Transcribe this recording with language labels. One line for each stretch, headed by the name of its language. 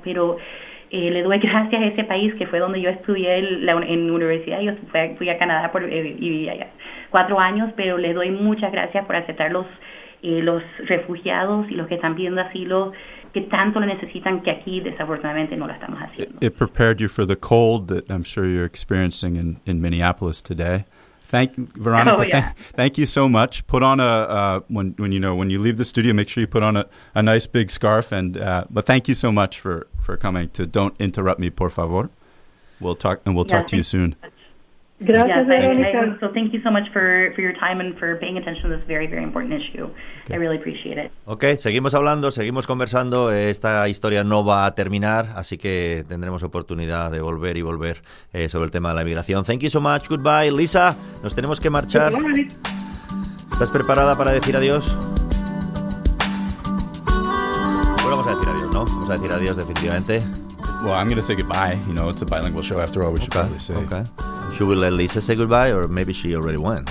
Spanish: Pero le doy gracias a ese país, que fue donde yo estudié en universidad. Yo fui a Canadá y viví allá 4 años, pero le doy muchas gracias por aceptar los refugiados y los que están pidiendo asilo, que tanto lo necesitan, que aquí desafortunadamente no lo estamos haciendo.
English: It prepared you for the cold that I'm sure you're experiencing in Minneapolis today. Thank you, Veronica. Oh, yeah. Thank you so much. Put on when you leave the studio, make sure you put on a nice big scarf. But thank you so much for coming to Don't Interrupt Me, Por Favor. We'll talk to you soon. Thank you so much for your time and for paying attention to this very, very important issue. Okay. I really appreciate it.
Spanish: Okay, seguimos hablando, seguimos conversando. Esta historia no va a terminar, así que tendremos oportunidad de volver y volver sobre el tema de la migración.
English: Thank you so much. Goodbye. Lisa,
Spanish: nos tenemos que marchar.
English: Goodbye.
Spanish: ¿Estás preparada para decir adiós? Bueno, vamos a decir adiós, ¿no? Vamos a decir adiós definitivamente.
English: Well, I'm going to say goodbye. You know, it's a bilingual show after all. We should probably say. Okay. Should we let Lisa say goodbye, or maybe she already went?